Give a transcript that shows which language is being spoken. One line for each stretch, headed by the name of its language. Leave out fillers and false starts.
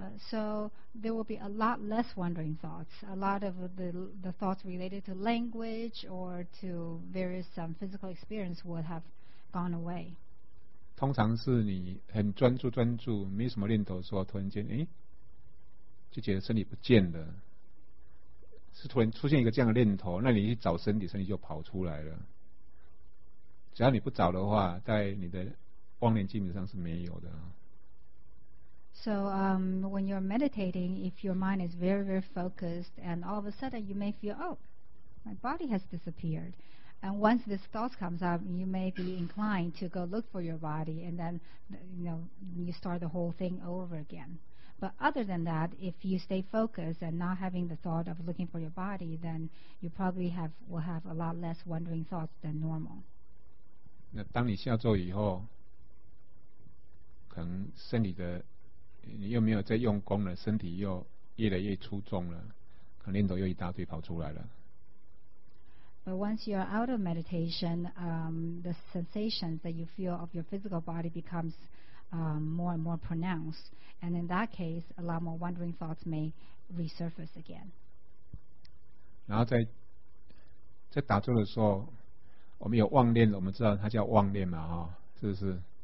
English: So there will be a lot less wandering thoughts, a lot of the thoughts related to language or to various physical experience would have gone away.
Chinese: 通常是你很专注，没什么念头的时候，突然间就觉得身体不见了，是突然出现一个这样的念头，那你去找身体就跑出来了。只要你不找的话，在你的妄念基本上是没有的。
English: So when you're meditating, if your mind is very, very focused, and all of a sudden you may feel, oh, my body has disappeared. And once this thought comes up, you may be inclined to go look for your body, and then you start the whole thing over again. But other than that, if you stay focused and not having the thought of looking for your body, then you probably will have a lot less wandering thoughts than normal.
Chinese: 那当你下坐以后，可能身体的你又没有在用功了，身体又越来越粗重了，可能念头又一大堆跑出来了。
English: But once you are out of meditation, the sensations that you feel of your physical body becomes more and more pronounced, and in that case, a lot more wandering thoughts may resurface again.
Chinese: 然后在打坐的时候，我们有妄念，我们知道它叫妄念嘛，哈，是不是？